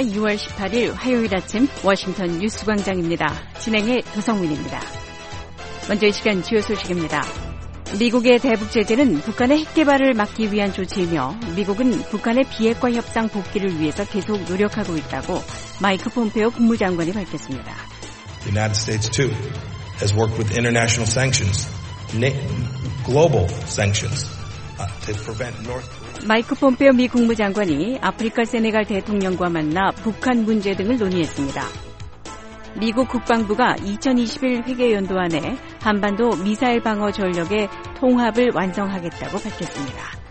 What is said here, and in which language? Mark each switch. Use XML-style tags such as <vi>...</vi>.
<ko>6월 18일 화요일 아침 워싱턴 뉴스 광장입니다. 진행의 도성민입니다. 먼저 이 시간 주요 소식입니다. 미국의 대북 제재는 북한의 핵 개발을 막기 위한 조치이며 미국은 북한의 비핵화 협상 복귀를 위해서 계속 노력하고 있다고 마이크 폼페오 국무장관이 밝혔습니다.</ko> <en>The United States too has worked with international sanctions, global sanctions to prevent North Korea.</en> <ko>마이크 폼페오 미 국무장관이 아프리카 세네갈 대통령과 만나 북한 문제 등을 논의했습니다. 미국 국방부가 2021 회계연도 안에 한반도 미사일 방어 전력의 통합을 완성하겠다고 밝혔습니다.</ko>